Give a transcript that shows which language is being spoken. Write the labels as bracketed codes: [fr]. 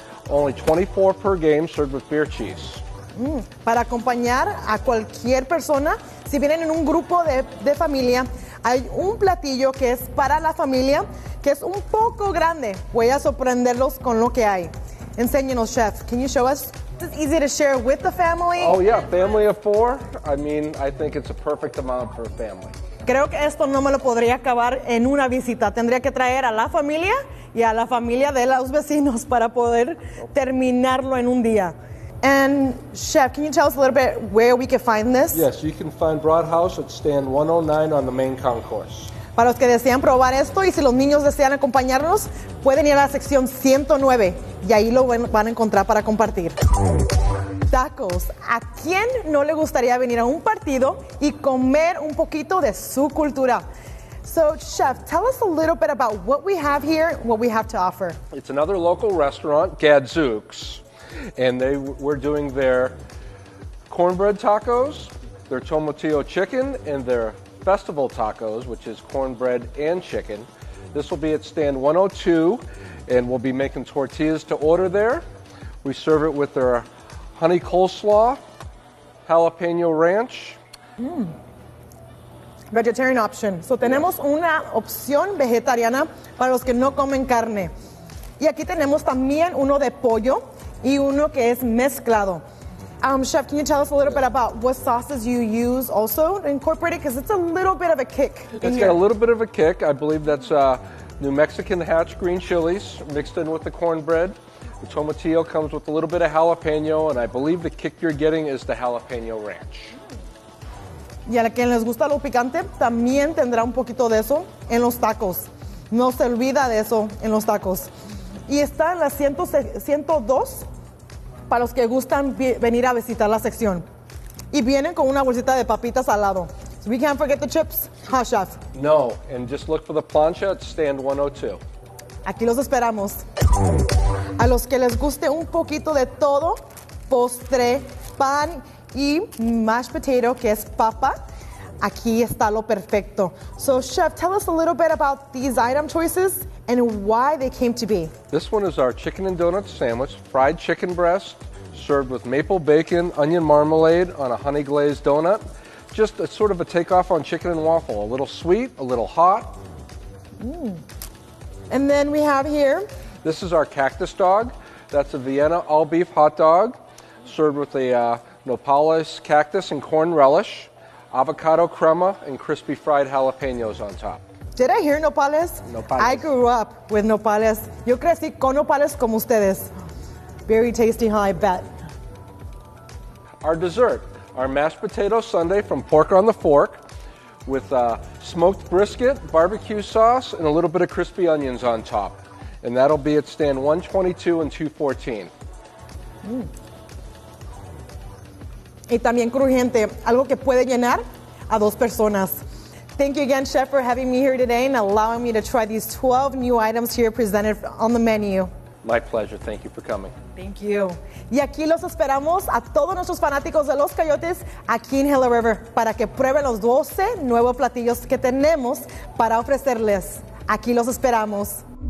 [en] Only 24 per game, served with beer cheese. [es] Para acompañar a cualquier persona, si vienen en un grupo de familia, hay un platillo que es para la familia, que es un poco grande. Voy a sorprenderlos con lo que hay. Enséñenos, chef. [en] Can you show us? It's easy to share with the family. Oh, yeah. Family of four. I mean, I think it's a perfect amount for a family. Creo que esto no me lo podría acabar en una visita. Tendría que traer a la familia y a la familia de los vecinos para poder terminarlo en un día. And chef, can you tell us a little bit where we can find this? Yes, you can find Brathaus at stand 109 on the main concourse. [es] Para los que desean probar esto y si los niños desean acompañarnos, pueden ir a la sección 109 y ahí lo van a encontrar para compartir. Tacos. ¿A quién no le gustaría venir a un partido y comer un poquito de su cultura? [en] So, chef, tell us a little bit about what we have here, what we have to offer. It's another local restaurant, Gadzooks, and they were doing their cornbread tacos, their tomatillo chicken, and their festival tacos, which is cornbread and chicken. This will be at stand 102, and we'll be making tortillas to order there. We serve it with their honey coleslaw, jalapeno ranch. Mm. Vegetarian option. [es] So tenemos una opción vegetariana para los que no comen carne. Y aquí tenemos también uno de pollo y uno que es mezclado. [en] Chef, can you tell us a little bit about what sauces you use also incorporated? Because it's a little bit of a kick. It's got a little bit of a kick. I believe that's New Mexican Hatch green chilies mixed in with the cornbread. The tomatillo comes with a little bit of jalapeno, and I believe the kick you're getting is the jalapeno ranch. [es] Y a quien les gusta lo picante, también tendrá un poquito de eso en los tacos. No se olvida de eso en los tacos. Y está en la 102 para los que gustan venir a visitar la sección. Y vienen con una bolsita de papitas al lado. [en] So we can't forget the chips, huh, chef? No, and just look for the plancha at stand 102. [es] Aquí los esperamos. A los que les guste un poquito de todo, postre, pan y mashed potato, que es papa, aquí está lo perfecto. [en] So, chef, tell us a little bit about these item choices and why they came to be. This one is our chicken and donut sandwich, fried chicken breast, served with maple bacon, onion marmalade on a honey glazed donut. Just a sort of a takeoff on chicken and waffle, a little sweet, a little hot. Mm. And then we have here, this is our cactus dog. That's a Vienna all beef hot dog, served with a Nopales cactus and corn relish, avocado crema, and crispy fried jalapenos on top. Did I hear nopales? Nopales. I grew up with nopales. [es] Yo crecí con nopales como ustedes. [en] Very tasty, huh? I bet. Our dessert, our mashed potato sundae from Pork on the Fork with smoked brisket, barbecue sauce, and a little bit of crispy onions on top. And that'll be at stand 122 and 214. Mm. [es] Y también crujiente, algo que puede llenar a dos personas. [en] Thank you again, Chef, for having me here today and allowing me to try these 12 new items here presented on the menu. My pleasure. Thank you for coming. Thank you. [es] Y aquí los esperamos a todos nuestros fanáticos de Los Coyotes aquí en Hello River para que prueben los 12 nuevos platillos que tenemos para ofrecerles. Aquí los esperamos.